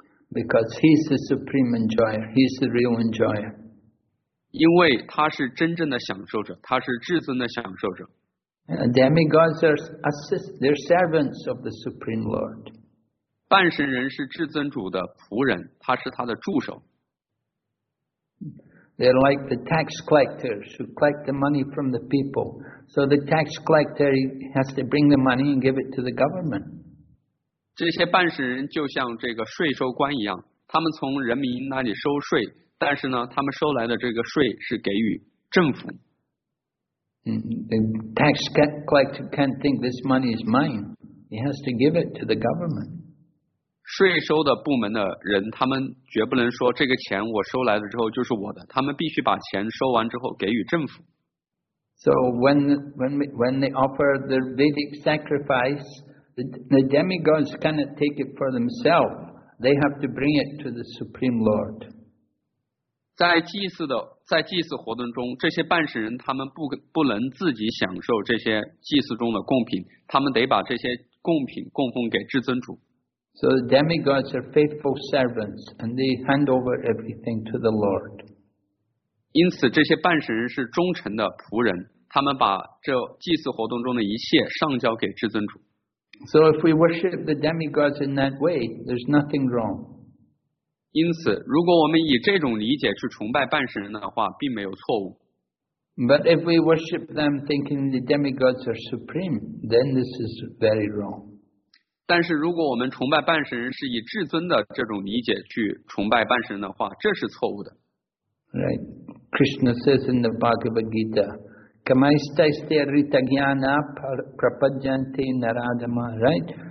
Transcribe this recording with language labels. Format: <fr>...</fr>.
<en>Because he's the supreme enjoyer, he's the real enjoyer.</en> <zh>因为他是真正的享受者，他是至尊的享受者。</zh> <en>And demigods are they're servants of the supreme lord.</en> <zh>半神人是至尊主的仆人，他是他的助手。</zh> <en>They're like the tax collectors who collect the money from the people. So the tax collector has to bring the money and give it to the government.</en> <zh>这些半神人就像这个税收官一样，他们从人民那里收税，但是呢，他们收来的这个税是给予政府。</zh> <en>The tax collector can't think this money is mine. He has to give it to the government.</en> <zh>税收的部门的人，他们绝不能说这个钱我收来了之后就是我的，他们必须把钱收完之后给予政府。</zh> <en>So when they offer the Vedic sacrifice, the demigods cannot take it for themselves. They have to bring it to the Supreme Lord.</en> <zh>在祭祀活动中，这些半神人他们不能自己享受这些祭祀中的贡品，他们得把这些贡品供奉给至尊主。</zh> <en>So the demigods are faithful servants, and they hand over everything to the Lord.</en> <zh>因此，这些半神人是忠诚的仆人，他们把这祭祀活动中的一切上交给至尊主。</zh> <en>So if we worship the demigods in that way, there's nothing wrong.</en> <zh>因此，如果我们以这种理解去崇拜半神人的话，并没有错误。</zh> <en>But if we worship them thinking the demigods are supreme, then this is very wrong.</en> <zh>但是如果我们崇拜半神人是以至尊的这种理解去崇拜半神人的话，这是错误的。</zh> <en>Right. Krishna says in the Bhagavad Gita,</en> <sa>Kamaistaste Rita Jnana Prapajante Naradama,</sa> <en>right?</en>